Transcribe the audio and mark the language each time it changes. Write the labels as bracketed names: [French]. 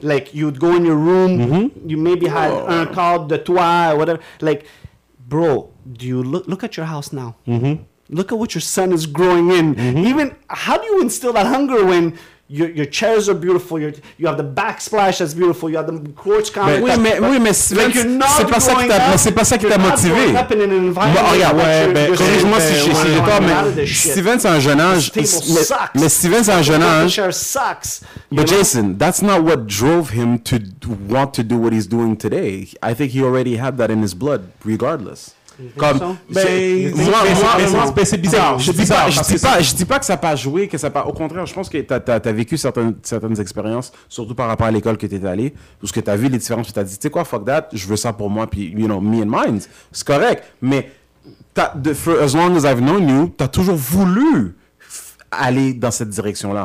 [English] Like, you'd go in your room, mm-hmm. you maybe had [French] un cadre de toi, [English] whatever. Like, bro, do you look at your house now. Mm-hmm. Look at what your son is growing in. Mm-hmm. Even, how do you instill that hunger when your chairs are beautiful, you have the backsplash that's beautiful, you have the quartz counter. [French] Mais c'est pas ça qui t'a motivé. Corrige-moi si j'ai tort, mais Steven, c'est un jeune âge. Mais Steven, c'est un jeune âge. [English] But Jason, that's not what drove him to want to do what he's doing today. I think he already had that in his blood, regardless. [French] Comme, c'est bizarre. Je dis pas que ça n'a pas joué, que ça pas. Au contraire, je pense que t'as vécu certaines expériences, surtout par rapport à l'école que t'es allé, où ce que t'as vu les différences, tu t'as dit, tu sais quoi, fuck that, je veux ça pour moi, puis [English] you know, me and mine, [French] c'est correct. Mais [English] for as long as I've known you, [French] t'as toujours voulu aller dans cette direction-là.